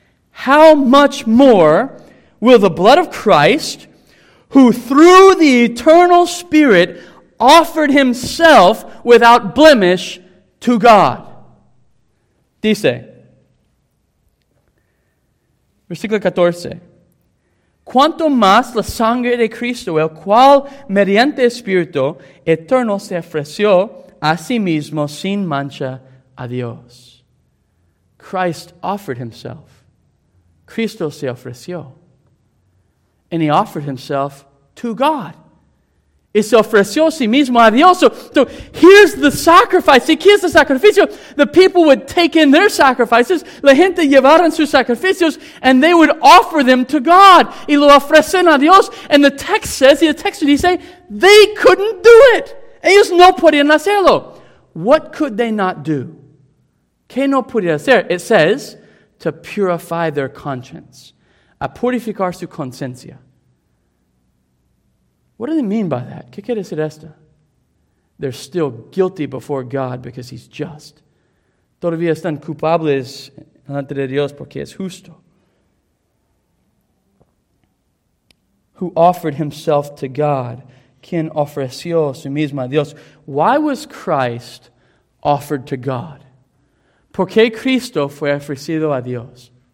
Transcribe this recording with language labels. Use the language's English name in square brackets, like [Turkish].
[English] How much more will the blood of Christ, who through the eternal Spirit offered himself without blemish to God. [Spanish] Dice, versículo 14, cuanto más la sangre de Cristo, el cual mediante Espíritu eterno se ofreció a sí mismo sin mancha a Dios. [English] Christ offered himself. [Spanish] Cristo se ofreció. [English] And he offered himself to God. [Spanish] Y se ofreció sí mismo a Dios. [English] So here's the sacrifice. [Spanish] ¿Y qué es el sacrificio? [English] The people would take in their sacrifices. [Spanish] La gente llevaron sus sacrificios. [English] And they would offer them to God. [Spanish] Y lo ofrecen a Dios. [English] And the text says, [Spanish] y el texto dice, [English] they couldn't do it. [Spanish] Ellos no podían hacerlo. [English] What could they not do? [Spanish] ¿Qué no podían hacer? [English] It says, to purify their conscience. [Spanish] A purificar su conciencia. [English] What do they mean by that? [Spanish] ¿Qué quiere decir esto? [English] They're still guilty before God because he's just. [Spanish] Todavía están culpables delante de Dios porque es justo. [English] Who offered himself to God? [Spanish] ¿Quién ofreció su mismo a Dios? [English] Why was Christ offered to God? [Spanish] ¿Por qué Cristo fue ofrecido a Dios?